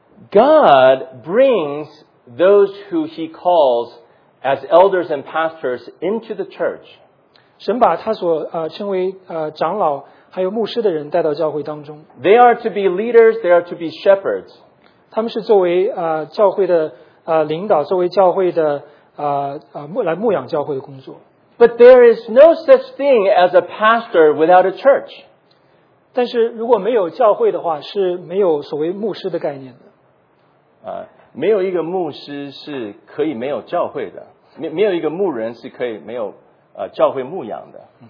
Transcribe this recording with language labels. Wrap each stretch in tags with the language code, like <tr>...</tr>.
<en>God brings those who he calls as elders and pastors into the church.</en> <zh>神把他所称为长老还有牧师的人带到教会当中。</zh> <en>They are to be leaders, they are to be shepherds.</en> <zh>他们是作为教会的领导，作为教会的来牧养教会的工作。</zh> <en>But there is no such thing as a pastor without a church.</en> <zh>但是如果没有教会的话，是没有所谓牧师的概念的。没有一个牧师是可以没有教会的，没有一个牧人是可以没有教会牧养的。</zh>